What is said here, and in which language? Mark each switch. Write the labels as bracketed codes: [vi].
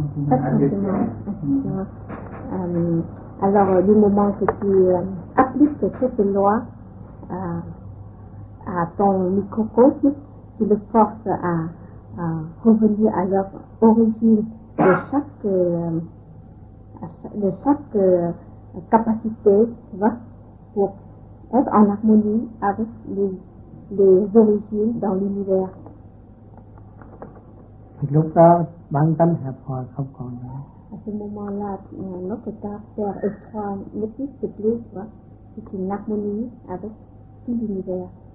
[vi] phát tâm [fr] alors du moment que tu appliques cette certaine loi à ton microcosme, tu le forces à revenir à leur origine de chaque capacité, va, pour être en harmonie avec les origines dans l'univers. [vi] Lúc đó bản tâm hẹp hòi không còn nữa. [fr] À ce moment-là, notre caractère étroit n'existe plus, va, c'est une harmonie avec tout l'univers.